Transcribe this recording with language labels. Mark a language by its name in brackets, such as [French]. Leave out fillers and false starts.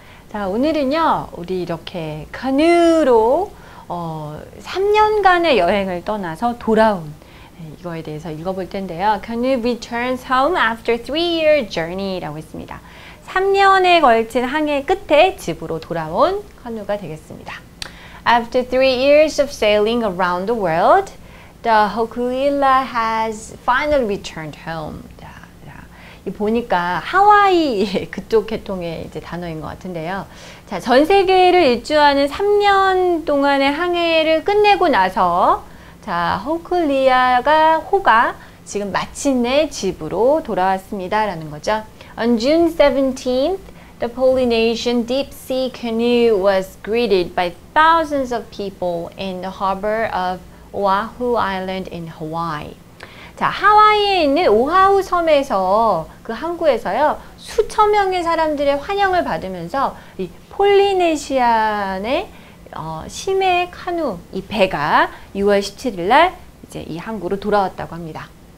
[Korean] 자, 오늘은요, 우리 이렇게 카누로 3년간의 여행을 떠나서 돌아온 이거에 대해서 읽어볼 텐데요. [English] Canoe returns home after 3-year journey [Korean] 라고 했습니다. 3년에 걸친 항해 끝에 집으로 돌아온 카누가 되겠습니다. [English] After 3 years of sailing around the world, the Hokuila has finally returned home. [Korean] 보니까 하와이 그쪽 계통의 이제 단어인 것 같은데요. 자, 전 세계를 일주하는 3년 동안의 항해를 끝내고 나서 자, 호쿠리아가 지금 마침내 집으로 돌아왔습니다. 라는 거죠. [English] On June 17th, the Polynesian deep sea canoe was greeted by thousands of people in the harbor of Oahu Island in Hawaii. [Korean] 자, 하와이에 있는 오하우 섬에서 그 항구에서요. 수천 명의 사람들의 환영을 받으면서 이 폴리네시안의 심해 카누 이 배가 6월 17일 날 이제 이 항구로 돌아왔다고 합니다.